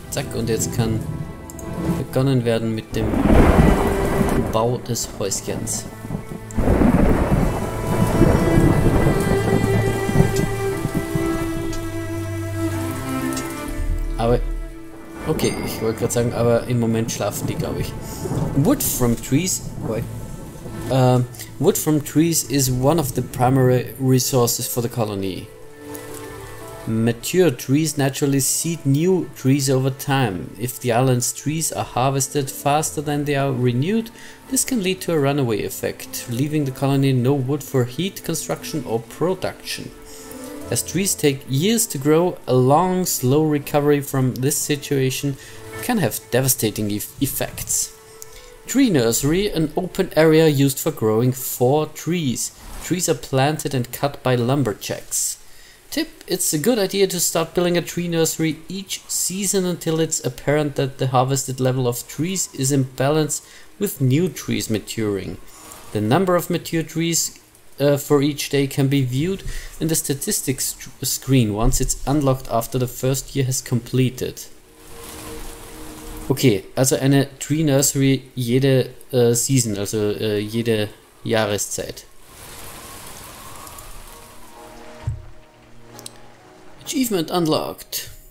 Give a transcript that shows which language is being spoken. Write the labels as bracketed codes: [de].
[de] Zack, und jetzt kann begonnen werden mit dem Bau des Häuschens. Okay, ich wollte gerade sagen, aber im Moment schlafen die, glaube ich. [en] Wood from trees. [de] Okay. [en] Wood from trees is one of the primary resources for the colony. Mature trees naturally seed new trees over time. If the island's trees are harvested faster than they are renewed, this can lead to a runaway effect, leaving the colony no wood for heat construction or production. As trees take years to grow, a long, slow recovery from this situation can have devastating effects. Tree nursery, an open area used for growing four trees. Trees are planted and cut by lumberjacks. Tip, it's a good idea to start building a tree nursery each season until it's apparent that the harvested level of trees is in balance with new trees maturing. The number of mature trees for each day can be viewed in the statistics screen once it's unlocked after the first year has completed. [de] Okay, also eine Tree Nursery jede Season, also jede Jahreszeit. [en] Achievement unlocked.